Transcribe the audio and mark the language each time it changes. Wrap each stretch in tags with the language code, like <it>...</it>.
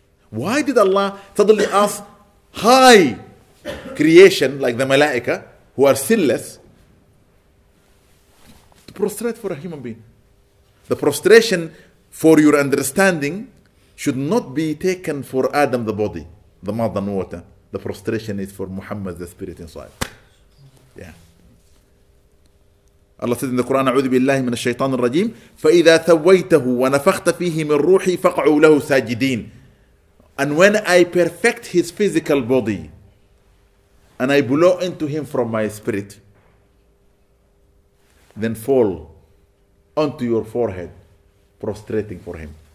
<en>Why did Allah suddenly ask high creation like the malaika, who are sinless, to prostrate for a human being? The prostration, for your understanding, should not be taken for Adam the body, the mud and water. The prostration is for Muhammad the spirit inside. Yeah. Allah said in the Quran,</en> <ar>أعوذ بالله من الشيطان الرجيم فإذا ثويته ونفخت فيه من روحي فقعوا له ساجدين.</ar> <en>And when I perfect his physical body and I blow into him from my spirit, then fall onto your forehead, prostrating for him.</en>